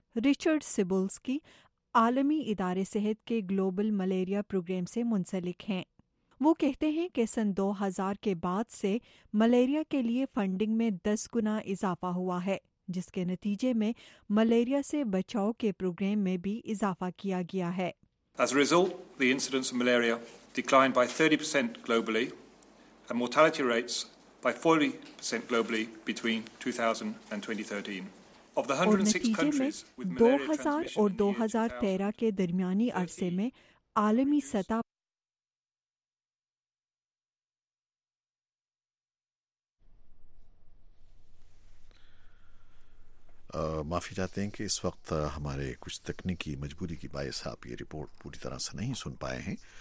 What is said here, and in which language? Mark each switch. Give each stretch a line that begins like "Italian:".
Urdu: Richard سبولسکی عالمی ادارے صحت کے گلوبل ملیریا پروگرام سے منسلک ہیں. وہ کہتے ہیں کہ سن 2000 کے بعد سے ملیریا کے لیے فنڈنگ میں 10 گنا اضافہ ہوا ہے، جس کے نتیجے میں ملیریا سے بچاؤ کے پروگرام میں بھی اضافہ کیا گیا ہے.
English: As a result, the incidence of malaria declined by 30% globally and mortality rates by 40% globally between 2000 and 2013. Of the 106 countries with malaria transmission in 2000
Urdu: اور 2013 کے درمیانی عرصے میں عالمی سطح معافی چاہتے ہیں کہ اس وقت ہمارے کچھ تکنیکی مجبوری کی باعث آپ یہ رپورٹ پوری طرح سے نہیں سن پائے ہیں.